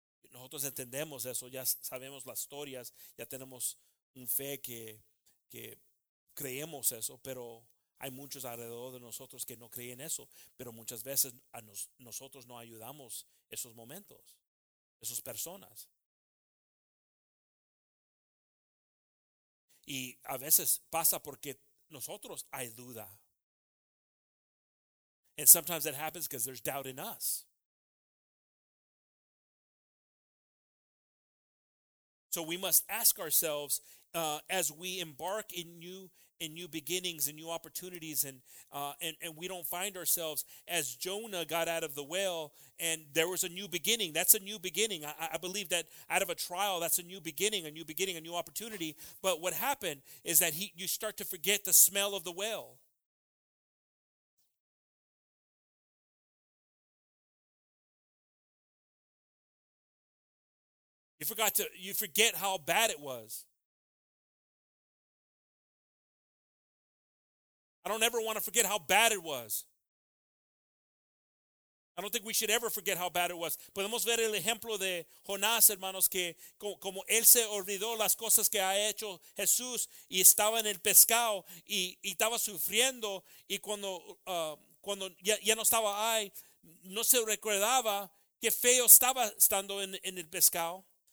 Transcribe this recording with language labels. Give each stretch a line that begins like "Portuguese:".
Spanish: Nosotros entendemos eso, ya sabemos las historias, ya tenemos un fe que creemos eso, pero hay muchos alrededor de nosotros que no creen eso, pero muchas veces nosotros no ayudamos esos momentos, esas personas. Y a veces pasa porque nosotros hay duda.
English: And sometimes that happens because there's doubt in us. So we must ask ourselves, as we embark in new beginnings and new opportunities, and we don't find ourselves as Jonah got out of the whale and there was a new beginning. That's a new beginning. I believe that out of a trial, that's a new beginning, a new opportunity. But what happened is that you start to forget the smell of the whale. You forget how bad it was. I don't ever want to forget how bad it was. I don't think we should ever forget how bad it was.
Spanish: Podemos ver el ejemplo de Jonás, hermanos, que como él se olvidó las cosas que ha hecho Jesús y estaba en el pescado y estaba sufriendo y cuando ya no estaba ahí, no se recordaba qué feo estaba estando en el pescado.